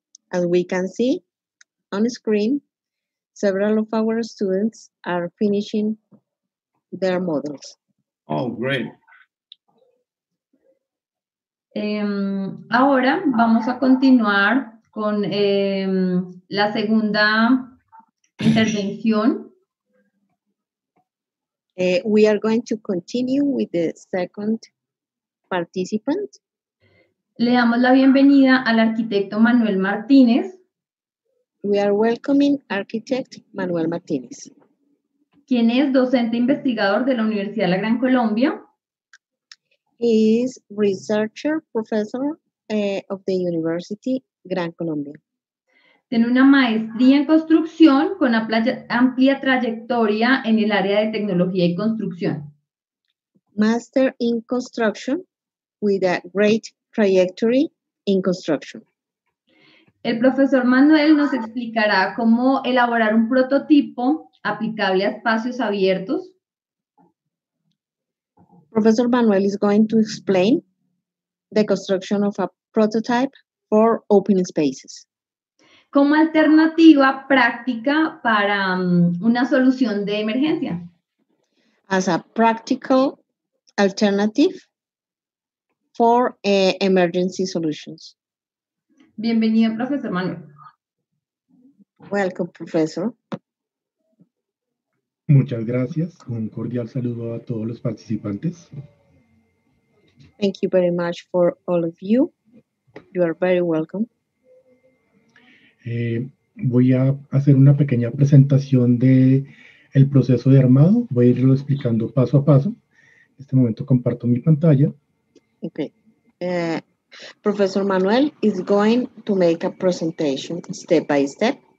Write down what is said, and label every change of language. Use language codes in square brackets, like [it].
[en] As we can see on the screen, several of our students are finishing their models. Oh, great. [es] Ahora vamos a continuar con la segunda intervención. [en] We are going to continue with the second participant. [es] Le damos la bienvenida al arquitecto Manuel Martínez. [en] We are welcoming architect Manuel Martínez. [es] Quien es docente investigador de la Universidad de la Gran Colombia. [en] He is researcher professor of the University Gran Colombia. [es] Tiene una maestría en construcción con amplia trayectoria en el área de tecnología y construcción. [en] Master in construction with a great trajectory in construction. [es] El profesor Manuel nos explicará cómo elaborar un prototipo aplicable a espacios abiertos. [en] Professor Manuel is going to explain the construction of a prototype for open spaces. [es] Como alternativa práctica para una solución de emergencia. [en] As a practical alternative for emergency solutions. [es] Bienvenido, Profesor Manuel. [en] Welcome, Professor. [es] Muchas gracias. Un cordial saludo a todos los participantes. [en] Thank you very much for all of you. You are very welcome. [es] Voy a hacer una pequeña presentación del proceso de armado. Voy a irlo explicando paso a paso. En este momento comparto mi pantalla. [en] Okay. Professor Manuel is going to make a presentation step by step.